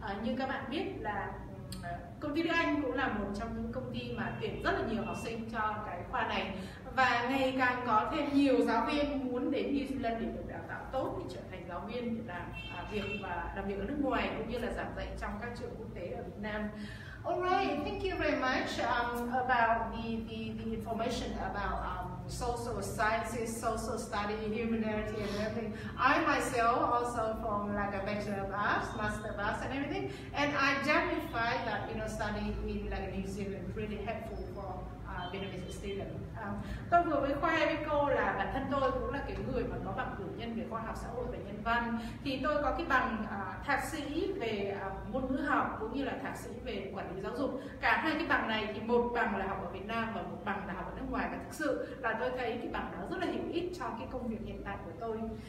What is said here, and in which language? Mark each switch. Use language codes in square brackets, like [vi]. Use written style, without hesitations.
[vi] Như các bạn biết là công ty Đức Anh cũng là một trong những công ty mà tuyển rất là nhiều học sinh cho cái khoa này, và ngày càng có thêm nhiều giáo viên muốn đến New Zealand để được đào tạo tốt để trở thành giáo viên để làm việc và làm việc ở nước ngoài cũng như là giảng dạy trong các trường quốc tế ở Việt Nam. [en] All right, thank you very much about the information about social sciences, social study, humanity and everything. I myself also from like a Bachelor of Arts, Master of Arts and everything. And I justify that, you know, studying in like New Zealand really helpful for Vietnamese students. [vi] Tôi vừa mới khoe với cô là bản thân tôi cũng là cái người mà có bằng cử nhân về khoa học xã hội và nhân văn. Thì tôi có cái bằng thạc sĩ về ngôn ngữ học cũng như là thạc sĩ về quản lý giáo dục. Cả hai cái bằng này thì một bằng là học ở Việt Nam và một bằng là học ở nước ngoài. Và thực sự là tôi thấy cái bằng đó rất là hữu ích cho cái công việc hiện tại của tôi.